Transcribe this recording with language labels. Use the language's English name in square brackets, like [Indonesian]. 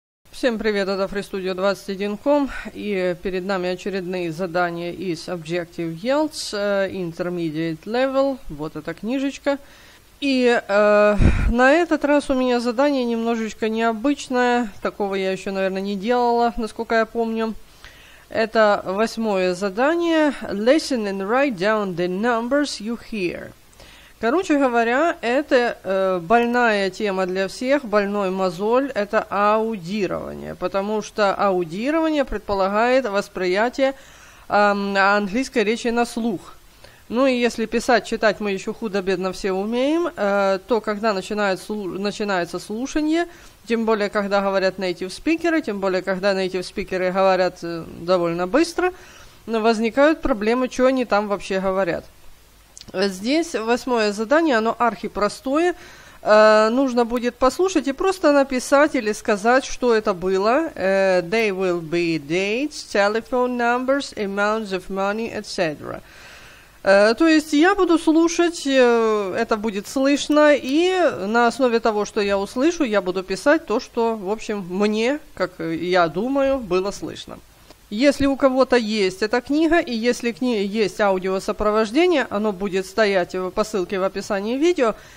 [Russian] Всем привет, это FreeStudio21.com, и перед нами очередные задания из Objective IELTS, Intermediate Level, вот эта книжечка. И на этот раз у меня задание немножечко необычное, такого я еще, наверное, не делала, насколько я помню. Это восьмое задание, [English] Listen and write down the numbers you hear. [Russian] Короче говоря, это больная тема для всех, больной мозоль – это аудирование, потому что аудирование предполагает восприятие английской речи на слух. Ну и если писать, читать мы еще худо-бедно все умеем, то когда начинается слушание, тем более когда говорят native speakers, тем более когда native speakers говорят довольно быстро, возникают проблемы, что они там вообще говорят. Здесь восьмое задание, оно архипростое. Нужно будет послушать и просто написать или сказать, что это было. [English] They will be dates, telephone numbers, amounts of money, etc. [Russian] То есть я буду слушать, это будет слышно, и на основе того, что я услышу, я буду писать то, что, в общем, мне, как я думаю, было слышно. Если у кого-то есть эта книга, и если к ней есть аудиосопровождение, оно будет стоять по ссылке в описании видео.